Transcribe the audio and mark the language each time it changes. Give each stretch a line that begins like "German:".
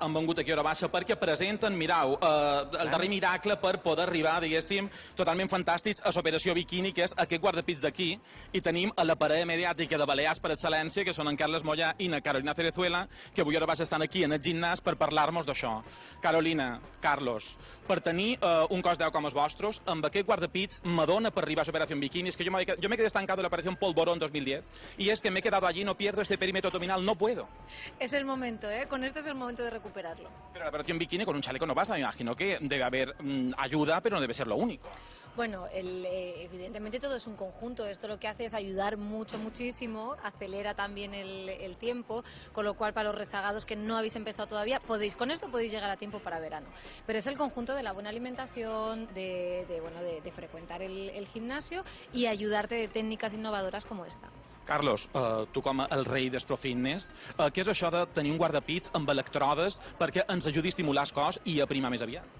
Catalan: Han vengut aquí a Hora Baixa perquè presenten, mirau, el darrer miracle per poder arribar, diguéssim, totalment fantàstics a l'operació Bikini, que és aquest guardapits d'aquí, i tenim a la parella mediàtica de Balears per excel·lència, que són en Carles Mollà i na Carolina Cerezuela, que avui a Hora Baixa estan aquí en el gimnàs per parlar-nos d'això. Carolina, Carlos, per tenir un cos d'eu com els vostres, amb aquest guardapits m'adona per arribar a l'operació Bikini. És que jo m'he quedat estancat a l'operació Polvorón 2010, i és que m'he quedat allí,
Spanish: no pierdo este perímetro abdominal, no puedo. Es el momento, ¿eh? Con esto es el momento de recuperarlo. Pero la operación bikini con un chaleco no basta, me imagino que debe haber ayuda, pero no debe ser lo único. Bueno, evidentemente todo es un conjunto. Esto lo que hace es ayudar mucho, muchísimo, acelera también el tiempo, con lo cual para los rezagados que no habéis empezado todavía, podéis con esto podéis llegar a tiempo para verano. Pero es el conjunto de la buena alimentación, de frecuentar el gimnasio y ayudarte de técnicas innovadoras como esta.
Catalan: Carlos, tu com el rei d'Espro Fitness, què és això de tenir un guardapits amb electrodes perquè ens ajudi a estimular el cos i a primar més aviat?